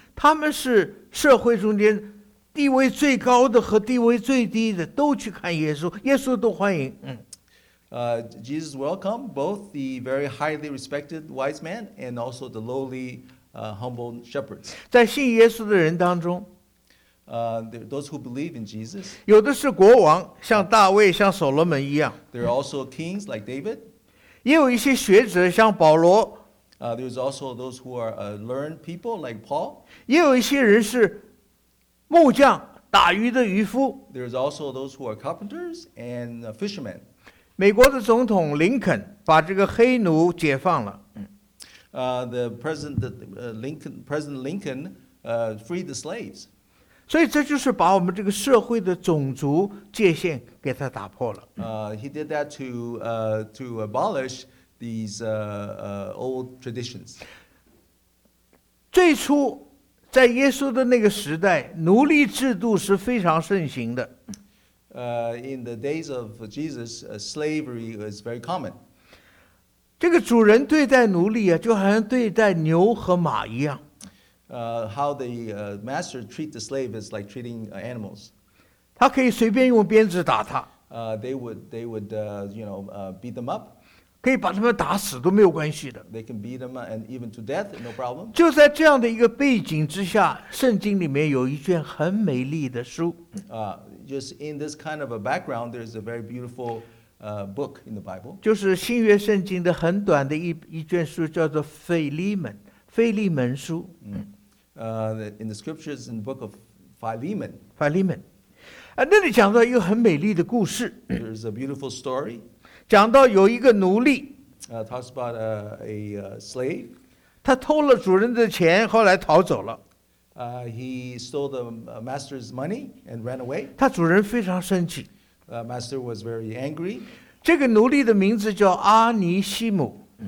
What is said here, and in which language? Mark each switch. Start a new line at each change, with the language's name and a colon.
Chinese: 他们是社会中间地位最高的和地位最低的都去看耶稣，耶稣都欢迎。
English: Jesus welcomed both the very highly respected wise men and also the lowly, humble shepherds.
Chinese: 在信耶稣的人当中。
English: Those who believe in Jesus.
Chinese: 有的是国王，像大卫，像所罗门一样。
English: There are also kings like David.
Chinese: 也有一些学者，像保罗。
English: There's also those who are learned people like Paul.
Chinese: 也有一些人是木匠，打鱼的渔夫。
English: There's also those who are carpenters and fishermen.
Chinese: 美国的总统林肯把这个黑奴解放了。
English: President Lincoln freed the slaves.
Chinese: 所以这就是把我们这个社会的种族界限给它打破了。
English: He did that to abolish these old traditions.
Chinese: 最初在耶稣的那个时代，奴隶制度是非常盛行的。
English: In the days of Jesus, slavery was very common.
Chinese: 这个主人对待奴隶啊，就好像对待牛和马一样。
English: How the master treat the slave is like treating animals.
Chinese: 他可以随便用鞭子打他。
English: They would beat them up.
Chinese: 可以把他们打死都没有关系的。
English: They can beat them and even to death, no problem.
Chinese: 就在这样的一个背景之下，圣经里面有一卷很美丽的书。
English: Just in this kind of a background, there is a very beautiful book in the Bible.
Chinese: 就是新约圣经的很短的一卷书，叫做《腓利门》。腓利门书。
English: In the scriptures in the book of Philemon. Philemon.
Chinese: 那里讲到一个很美丽的故事。
English: There's a beautiful story.
Chinese: 讲到有一个奴隶。
English: Talks about a slave.
Chinese: 他偷了主人的钱后来逃走了。
English: He stole the master's money and ran away.
Chinese: 他主人非常生气。
English: Master was very angry.
Chinese: 这个奴隶的名字叫阿尼西姆。